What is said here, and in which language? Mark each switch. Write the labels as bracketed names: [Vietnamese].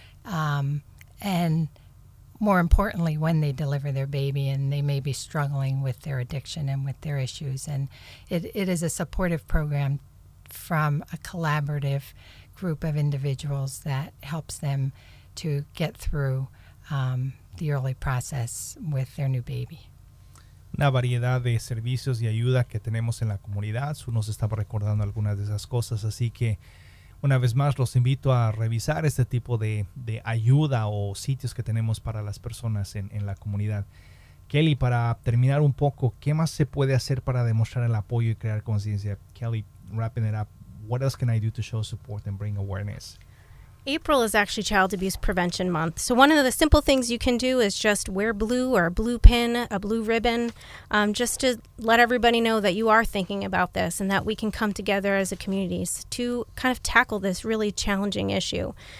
[English] And more importantly, when they deliver their baby and they may be struggling with their addiction and with their issues. And it is a supportive program from a collaborative group of individuals that helps them to get through the early process with their new baby. [Spanish] una variedad de servicios y ayuda que tenemos en la comunidad. Su nos estaba recordando algunas de esas cosas, así que una vez más los invito a revisar este tipo de ayuda o sitios que tenemos para las personas en la comunidad. Kelly, para terminar un poco, ¿qué más se puede hacer para demostrar el apoyo y crear conciencia? [English] Kelly, wrapping it up, what else can I do to show support and bring awareness? April is actually Child Abuse Prevention Month. So one of the simple things you can do is just wear blue or a blue pin, a blue ribbon, just to let everybody know that you are thinking about this and that we can come together as a community to kind of tackle this really challenging issue.